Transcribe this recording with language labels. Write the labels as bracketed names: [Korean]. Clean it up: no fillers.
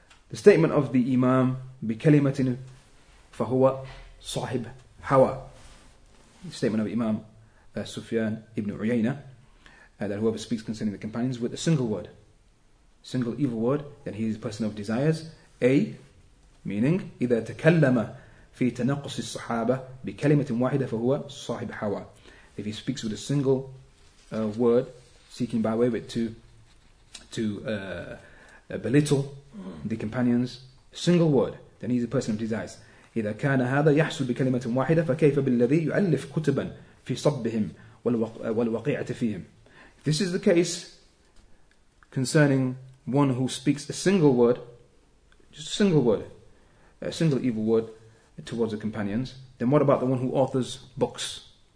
[English] The statement of the Imam [Arabic] بِكَلِمَةٍ فَهُوَ صَاحِبْ هَوَى. [English] The statement of Imam Sufyan ibn Uyayna, that whoever speaks concerning the companions with a single word, single evil word, then he is a person of desires. [Arabic] A, meaning, إذا تكلم في تنقص الصحابة بكلمة واحدة فهو صاحب حواء. [English] If he speaks with a single word, seeking by way of it to belittle the companions, single word, then he's a person of desires. [Arabic] إذا كان هذا يحصل بكلمة واحدة فكيف بالذي يؤلف كتبا في صبهم والوقيعة فيهم. [English] If this is the case concerning one who speaks a single word, just a single word, a single evil word towards the companions, then what about the one who authors books?